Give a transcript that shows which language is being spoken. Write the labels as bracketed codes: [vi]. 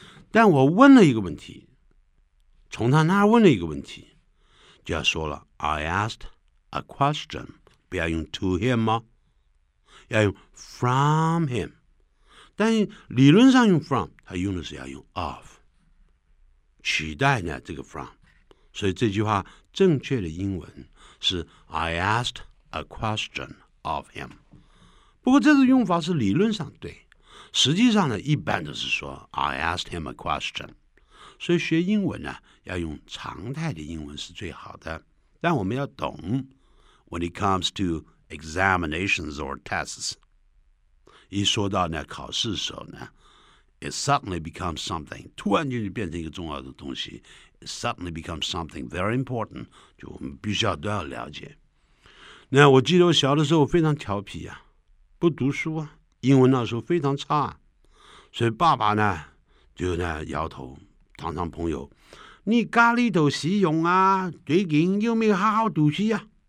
[zh] 但我问了一个问题，从他那儿问了一个问题，就要说了 I asked a question，不要用 to him 吗？要用 from him。但理论上用 from， 他用的是要用 of， 取代呢这个 from。 [en] 所以这句话正确的英文是 I asked a question of him。 [zh] 不过这个用法是理论上对，实际上呢一般都是说 I asked him a question。所以学英文呢要用常态的英文是最好的，但我们要懂 When it comes to examinations or tests，一说到呢考试的时候呢， [en] It suddenly becomes something. [zh] 突然间就变成一个重要的东西。 [en] It suddenly becomes something very important. [zh] 就我们必须要都要了解。那我记得我小的时候非常调皮啊，不读书啊，英文那时候非常差啊。所以爸爸呢就呢摇头，堂堂朋友，你家里头使用啊，最近有没有好好读书啊？